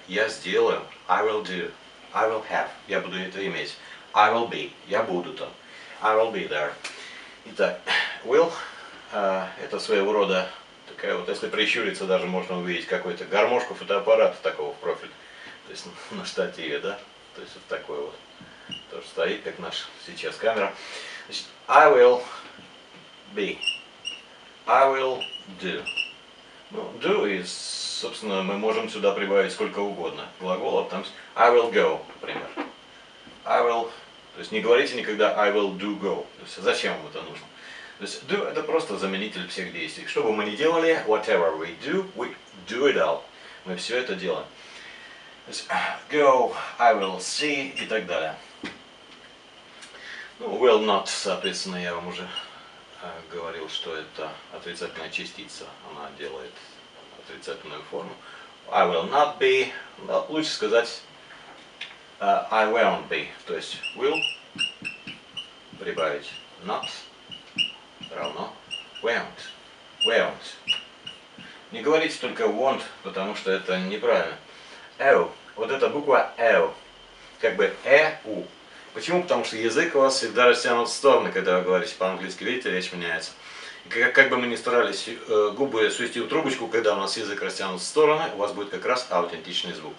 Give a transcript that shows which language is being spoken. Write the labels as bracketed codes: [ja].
[ru] Я сделаю. [en] I will do. I will have. [ru] Я буду это иметь. [en] I will be. [ru] Я буду там. [en] I will be there. [ru] Итак, will – это своего рода такая вот, если прищуриться, даже можно увидеть какую-то гармошку фотоаппарата такого в профиль. То есть на штативе, да? То есть вот такое вот. Тоже стоит, как наша сейчас камера. [en] Значит, I will be, I will do. [ru] Ну, do is, собственно, мы можем сюда прибавить сколько угодно глаголов. Там [en] I will go, [ru] например. I will, то есть не говорите никогда [en] I will do go. [ru] То есть зачем вам это нужно? То есть do это просто заменитель всех действий. Что бы мы ни делали, [en] whatever we do it all. [ru] Мы все это делаем. То есть go, I will see и так далее. Will not, соответственно, я вам уже говорил, что это отрицательная частица, она делает отрицательную форму. [en] I will not be, [ru] но лучше сказать [en] I won't be, [ru] то есть will прибавить not равно won't, won't. Не говорите только won't, потому что это неправильно. O, вот эта буква O, как бы E-U. Почему? Потому что язык у вас всегда растянут в стороны, когда вы говорите по-английски. Видите, речь меняется. И как бы мы ни старались губы свести в трубочку, когда у нас язык растянут в стороны, у вас будет как раз аутентичный звук.